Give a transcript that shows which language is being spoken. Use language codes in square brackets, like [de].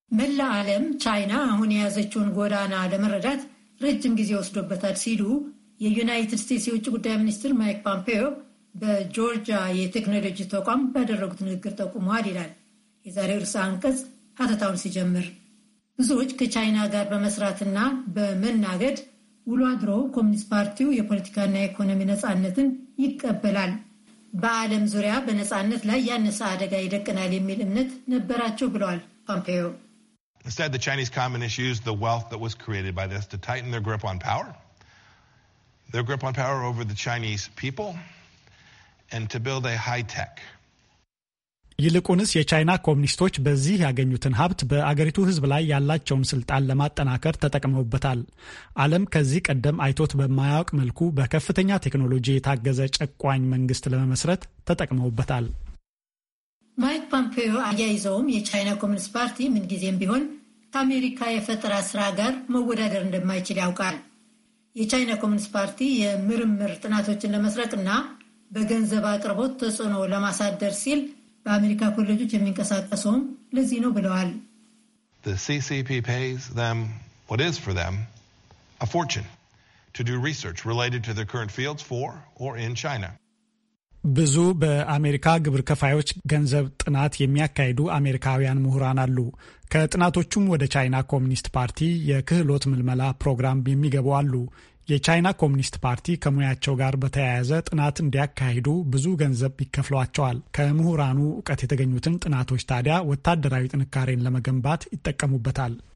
[am] መላ ዓለም ቻይና አሁን የያዘችውን ጎዳና ለመረዳት ረጅም ጊዜ ወስዶበታል ሲሉ የዩናይትድ ስቴትስ የውጭ ጉዳይ ሚኒስትር ማይክ ፖምፔዮ በጆርጂያ የቴክኖሎጂ ተቋም ባደረጉት ንግግር ጠቁመዋል ይላል የዛሬው ርዕሰ አንቀጽ። ሀተታውን ሲጀምር ብዙዎች ከቻይና ጋር በመስራትና በመናገድ ውሎ አድሮ ኮሚኒስት ፓርቲው የፖለቲካና የኢኮኖሚ ነጻነትን ይቀበላል፣ በዓለም ዙሪያ በነጻነት ላይ ያነሳ አደጋ ይደቅናል የሚል እምነት ነበራቸው ብለዋል ፖምፔዮ። [en] Instead, the Chinese Communists used the wealth that was created by this to tighten their grip on power over the Chinese people and to build a high-tech. [am] ይልቁንስ የቻይና ኮሙኒስቶች በዚህ ያገኙትን ሀብት በአገሪቱ ህዝብ ላይ ያላቸውን ስልጣን ለማጠናከር ተጠቅመውበታል። ዓለም ከዚህ ቀደም አይቶት በማያውቅ መልኩ በከፍተኛ ቴክኖሎጂ የታገዘ ጨቋኝ መንግስት ለመመስረት ተጠቅመውበታል። ማይክ ፖምፔዮ አያይዘውም የቻይና ኮሙኒስት ፓርቲ ምንጊዜም ቢሆን ከአሜሪካ የፈጠራ ስራ ጋር መወዳደር እንደማይችል ያውቃል። የቻይና ኮሙኒስት ፓርቲ የምርምር ጥናቶችን ለመስረቅና በገንዘብ አቅርቦት ተጽዕኖ ለማሳደር ሲል በአሜሪካ ኮሌጆች የሚንቀሳቀሰውም ለዚህ ነው ብለዋል። [en] The CCP pays them what is for them a fortune to do research related to their current fields for or in China. [am] ብዙ በአሜሪካ ግብር ከፋዮች ገንዘብ ጥናት የሚያካሂዱ አሜሪካውያን ምሁራን አሉ። ከጥናቶቹም ወደ ቻይና ኮሙኒስት ፓርቲ የክህሎት ምልመላ ፕሮግራም የሚገቡ አሉ። የቻይና ኮሙኒስት ፓርቲ ከሙያቸው ጋር በተያያዘ ጥናት እንዲያካሂዱ ብዙ ገንዘብ ይከፍሏቸዋል። ከምሁራኑ ዕውቀት የተገኙትን ጥናቶች ታዲያ ወታደራዊ ጥንካሬን ለመገንባት ይጠቀሙበታል።